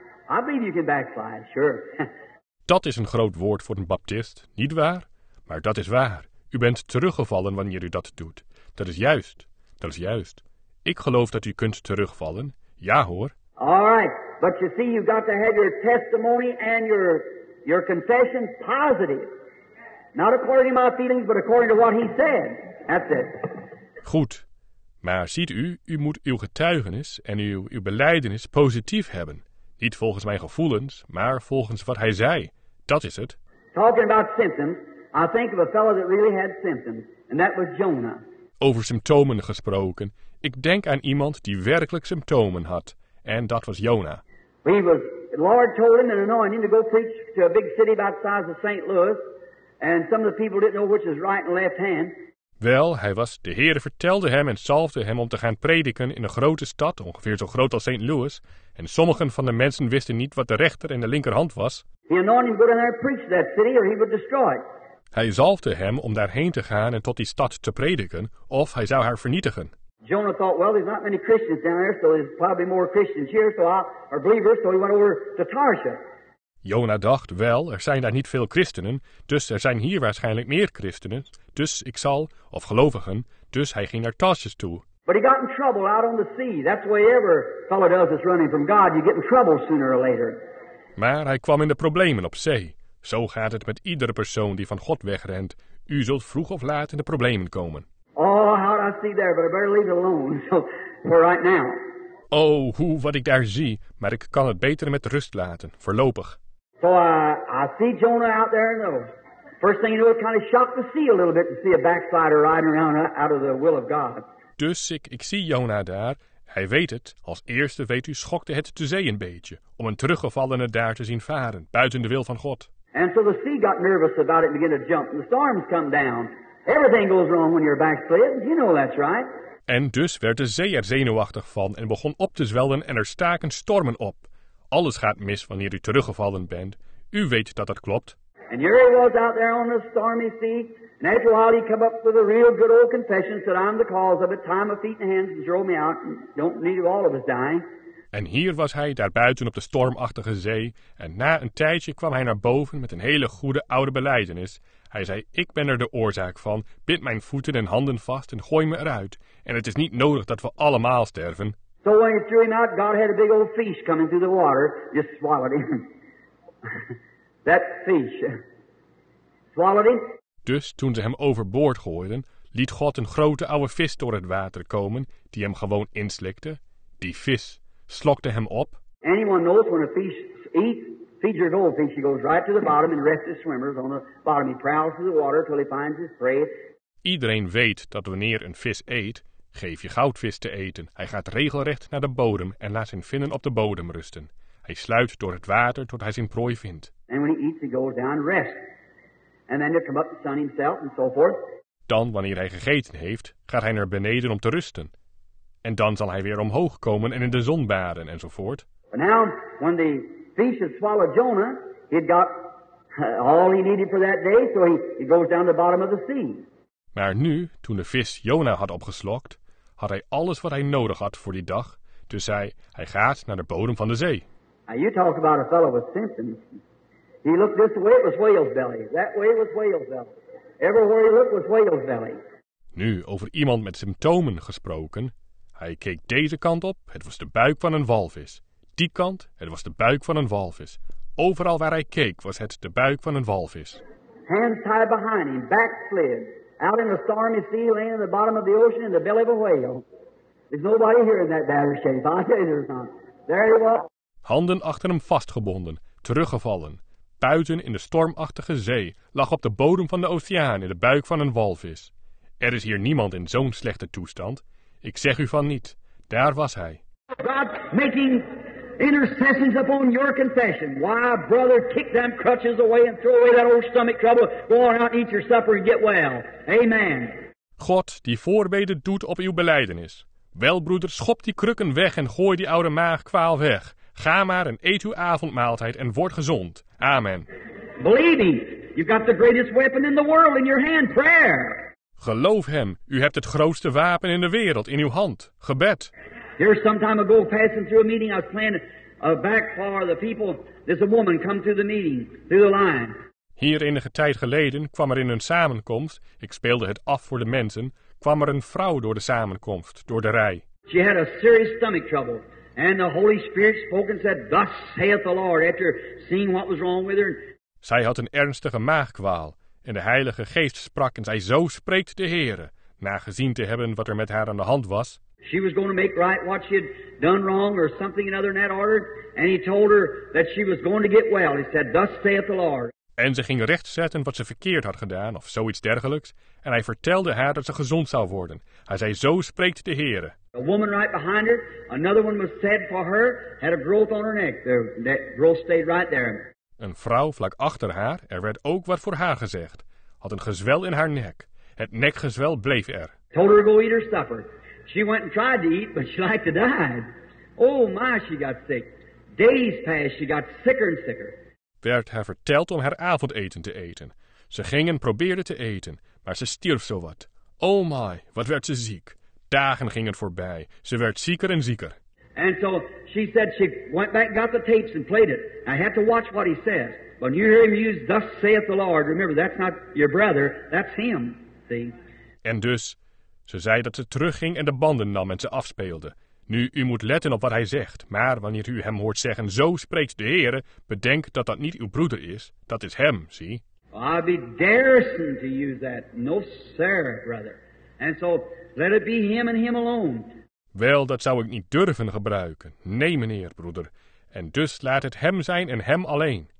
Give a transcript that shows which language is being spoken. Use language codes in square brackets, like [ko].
[en] I believe you can backslide, sure. [nl] Dat is een groot woord voor een baptist, niet waar? Maar dat is waar. U bent teruggevallen wanneer u dat doet. Dat is juist. Dat is juist. Ik geloof dat u kunt terugvallen. Ja hoor. [en] All right. But you see, you've got to have your testimony and your confession positive. Not according to my feelings, but according to what he said. That's it. [nl] Goed. Maar ziet u, u moet uw getuigenis en uw belijdenis positief hebben. Niet volgens mijn gevoelens, maar volgens wat hij zei. Dat is het. [en] Talking about symptoms, I think of a fellow that really had symptoms, and that was Jonah. [nl] Over symptomen gesproken, ik denk aan iemand die werkelijk symptomen had, en dat was Jonah. [en] The Lord told him an anointing to go preach to a big city about the size of St. Louis, and some of the people didn't know which is right and left hand. [nl] Wel, hij was, de Heere vertelde hem en zalfde hem om te gaan prediken in een grote stad, ongeveer zo groot als St. Louis, en sommigen van de mensen wisten niet wat de rechter en de linkerhand was. [en] He anointed him to go down there and preach to that city, or he would destroy it. [nl] Hij zalfde hem om daarheen te gaan en tot die stad te prediken, of hij zou haar vernietigen. [en] Jonah thought, well, there's not many Christians down there, so there's probably more Christians here, so or believers, so he went over to Tarsus. [nl] Jonah dacht, wel, er zijn daar niet veel christenen, dus er zijn hier waarschijnlijk meer christenen, dus ik zal, of gelovigen, dus hij ging naar Tarsus toe. [en] But he got in trouble out on the sea. That's the way every fellow does that's running from God. You get in trouble sooner or later. [nl] Maar hij kwam in de problemen op zee. Zo gaat het met iedere persoon die van God wegrent. U zult vroeg of laat in de problemen komen. [en] Oh, how did I see there? But I better leave it alone for right now. [nl] Oh, hoe wat ik daar zie. Maar ik kan het beter met rust laten, voorlopig. [en] So I see Jonah out there. No. First thing you know, it kind of shocked the sea a little bit to see a backslider riding around out of the will of God. [nl] Dus ik zie Jonah daar. Hij weet het. Als eerste weet u schokte het de zee een beetje om een teruggevallene daar te zien varen buiten de wil van God. [en] And so the sea got nervous about it and began to jump. And the storms come down. Everything goes wrong when you're backslid. You know that's right. [nl] En dus werd de zee er zenuwachtig van en begon op te zwellen en er staken stormen op. Alles gaat mis wanneer u teruggevallen bent. U weet dat dat klopt. [en] And here he was out there on the stormy sea. And after a while he came up with a real good old confession, said, I'm the cause of it, tie my feet and hands and throw me out, and don't need all of us dying. [nl] En hier was hij, daar buiten op de stormachtige zee, en na een tijdje kwam hij naar boven met een hele goede oude belijdenis. Hij zei, ik ben er de oorzaak van, bind mijn voeten en handen vast en gooi me eruit, en het is niet nodig dat we allemaal sterven. [en] So when he threw him out, God had a big old fish coming through the water, just swallowed him. That fish swallowed him. [nl] Dus toen ze hem overboord gooiden, liet God een grote oude vis door het water komen, die hem gewoon inslikte. Die vis slokte hem op. [en] Anyone knows when a fish eats, feeds your goldfish, he goes right to the bottom and rests his swimmers on the bottom. He prowls through the water till he finds his prey. [nl] Iedereen weet dat wanneer een vis eet, geef je goudvis te eten. Hij gaat regelrecht naar de bodem en laat zijn vinnen op de bodem rusten. Hij sluit door het water tot hij zijn prooi vindt. [en] And when he eats, he goes down and rests. And then he'll come up to sun himself and so forth. [nl] Dan, wanneer hij gegeten heeft, gaat hij naar beneden om te rusten. En dan zal hij weer omhoog komen en in de zon baden enzovoort. [en] But now, when the fish had swallowed Jonah, he'd got all he needed for that day, so he goes down to the bottom of the sea. [nl] Maar nu, toen de vis Jonah had opgeslokt, had hij alles wat hij nodig had voor die dag, dus hij gaat naar de bodem van de zee. [en] Now you talk about a fellow with symptoms. He looked this way, it was whale's belly. That way was whale's belly. Everywhere he looked was whale's belly. [nl] Nu, over iemand met symptomen gesproken. Hij keek deze kant op, het was de buik van een walvis. Die kant, het was de buik van een walvis. Overal waar hij keek, was het de buik van een walvis. [en] Hands tied behind him, back slid. Out in the stormy sea, laying in the bottom of the ocean, in the belly of a whale. There's nobody here in that batter shape, I tell you there's not. There he was. [nl] Handen achter hem vastgebonden, teruggevallen. Buiten in de stormachtige zee, lag op de bodem van de oceaan in de buik van een walvis. Er is hier niemand in zo'n slechte toestand. Ik zeg u van niet. Daar was hij. [en] God making intercessions upon your confession. Why, brother, kick them crutches away and throw away that old stomach trouble. Go on out and eat your supper and get well. Amen. [nl] God die voorbeden doet op uw belijdenis. Wel, broeder, schop die krukken weg en gooi die oude maagkwaal weg. Ga maar en eet uw avondmaaltijd en word gezond. Amen. [en] Believe him. You've got the greatest weapon in the world in your hand, prayer. [nl] Geloof hem. U hebt het grootste wapen in de wereld in uw hand, gebed. [en] Here some time ago, passing through a meeting, I was playing a back for the people. There's a woman come through the meeting, through the line. [nl] Hier enige tijd geleden kwam er in een samenkomst, ik speelde het af voor de mensen, kwam er een vrouw door de samenkomst, door de rij. [en] She had a serious stomach trouble. And the Holy Spirit spoke and said, thus saith the Lord, after seeing what was wrong with her. [nl] Zij had een ernstige maagkwaal. En de Heilige Geest sprak en zei, zo spreekt de Heere, na gezien te hebben wat er met haar aan de hand was. [en] She was going to make right what she had done wrong or something another in that order. And he told her that she was going to get well. He said, thus saith the Lord. [nl] En ze ging rechtzetten wat ze verkeerd had gedaan of zoiets dergelijks. En hij vertelde haar dat ze gezond zou worden. Hij zei, zo spreekt de Heere. [en] A woman right behind her, another one was sad for her, had a growth on her neck. That growth stayed right there. [nl] Een vrouw vlak achter haar, er werd ook wat voor haar gezegd. Had een gezwel in haar nek. Het nekgezwel bleef er. [en] Told her to go eat her supper. She went and tried to eat, but she liked to die. Oh my, she got sick. Days passed, she got sicker and sicker. [nl] werd haar verteld om haar avondeten te eten. Ze ging en probeerde te eten, maar ze stierf zowat. Oh my, wat werd ze ziek. Dagen gingen voorbij. Ze werd zieker en zieker. [en] And so she said she went back and got the tapes and played it. I have to watch what he says. When you hear him use, thus saith the Lord, remember, that's not your brother, that's him, see. [nl] En dus, ze zei dat ze terugging en de banden nam en ze afspeelde. Nu, u moet letten op wat hij zegt, maar wanneer u hem hoort zeggen, zo spreekt de Heere, bedenk dat dat niet uw broeder is, dat is hem, zie. [en] I'd be daring to use that. No, sir, brother. And so, let it be him and him alone. [nl] Wel, dat zou ik niet durven gebruiken. Nee, meneer, broeder. En dus laat het hem zijn en hem alleen.